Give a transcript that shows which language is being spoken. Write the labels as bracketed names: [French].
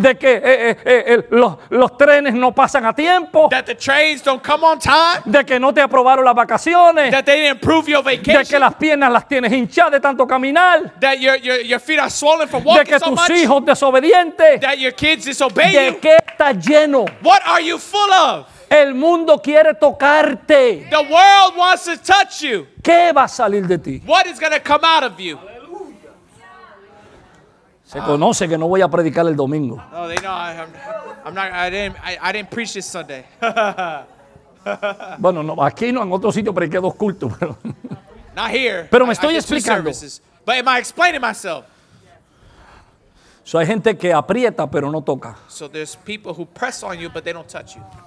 [Spanish] De que los trenes no pasan a tiempo. [English] That the trains don't come on time. [Spanish] De que no te aprobaron las vacaciones. [English] That they didn't approve your vacation. [Spanish] De que las piernas las tienes hinchadas de tanto caminar. [English] That your feet are swollen from walking so much. [Spanish] De que tus hijos desobedientes. [English] That your kids disobey you. [Spanish] De qué estás lleno. [English] What are you full of? [Spanish] El mundo quiere tocarte. [English] The world wants to touch you. [Spanish] ¿Qué va a salir de ti? [English] What is going to come out of you? [Spanish] Se conoce que no voy a predicar el domingo. [English] No, they know I didn't preach this Sunday. [Spanish] Bueno, no, aquí no, en otro sitio prediqué dos cultos. [English] Not here. [Spanish] Pero me estoy explicando. [English] But am I explaining myself? So [Spanish] hay gente que aprieta pero no toca. [English] So there's people who press on you but they don't touch you.